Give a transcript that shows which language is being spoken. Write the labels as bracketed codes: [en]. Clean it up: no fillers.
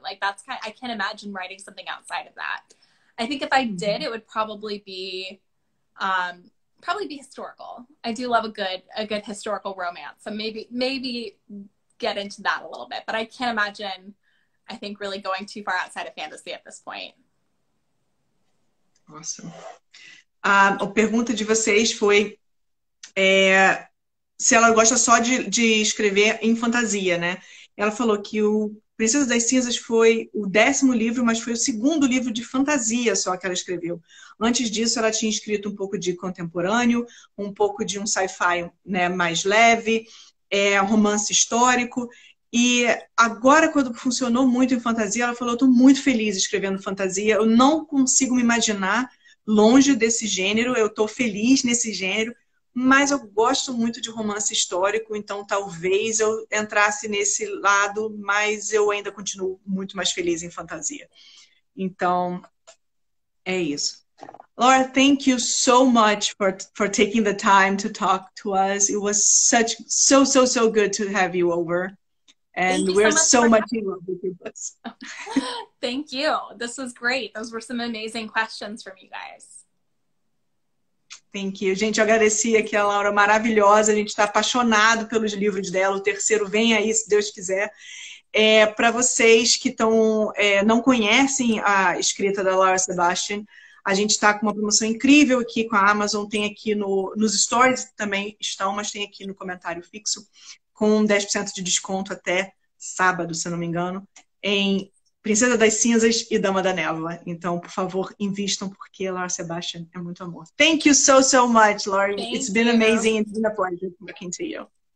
[en] Like that's kind of, I can't imagine writing something outside of that. I think if I did, it would probably be historical. I do love a good historical romance. So maybe get into that a little bit, but I can't imagine, I think, really going too far outside of fantasy at this point. Awesome. [pt] A pergunta de vocês foi, se ela gosta só de escrever em fantasia, né? Ela falou que o Princesa das Cinzas foi o 10º livro, mas foi o 2º livro de fantasia só que ela escreveu. Antes disso, ela tinha escrito um pouco de contemporâneo, um pouco de um sci-fi, né, mais leve, romance histórico. E agora, quando funcionou muito em fantasia, ela falou, eu tô muito feliz escrevendo fantasia. Eu não consigo me imaginar longe desse gênero. Eu tô feliz nesse gênero. Mas eu gosto muito de romance histórico, então talvez eu entrasse nesse lado, mas eu ainda continuo muito mais feliz em fantasia. Então, é isso. [en] Laura, thank you so much for taking the time to talk to us. It was such so good to have you over. And we're so much in love with your books. Thank you. This was great. Those were some amazing questions from you guys. Thank you. [pt] Gente, eu agradeci aqui a Laura, maravilhosa. A gente está apaixonado pelos livros dela. O terceiro vem aí, se Deus quiser. Para vocês que não conhecem a escrita da Laura Sebastian, a gente está com uma promoção incrível aqui com a Amazon. Tem aqui nos stories também estão, mas tem aqui no comentário fixo, com 10% de desconto até sábado, se não me engano, em Princesa das Cinzas e Dama da Névoa. Então, por favor, invistam, porque Laura Sebastian é muito amor. [en] Thank you so much, Laura. Thank It's been you. Amazing. It's been a pleasure talking to you.